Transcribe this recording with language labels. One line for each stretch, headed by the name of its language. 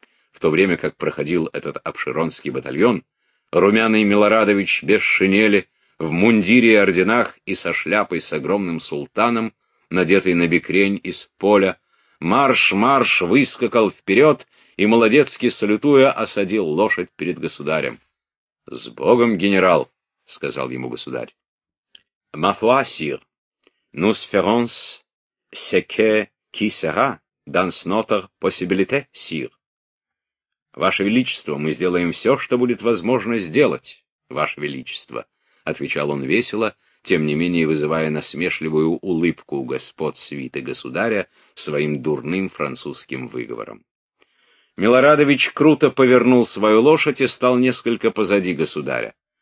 Russian: В то время как проходил этот обширонский батальон, румяный Милорадович без шинели, в мундире и орденах и со шляпой с огромным султаном, надетый на бекрень из поля, «Марш, марш!» выскакал вперед и, молодецки салютуя, осадил лошадь перед государем. «С Богом, генерал!» — сказал ему государь.
French: «Ma foi, sire, nous ferons ce que qui sera dans notre possibilité, sire».
Russian: «Ваше Величество, мы сделаем все, что будет возможно сделать, Ваше Величество», — отвечал он весело, тем не менее вызывая насмешливую улыбку у господ свиты государя своим дурным французским выговором. Милорадович круто повернул свою лошадь и стал несколько позади государя.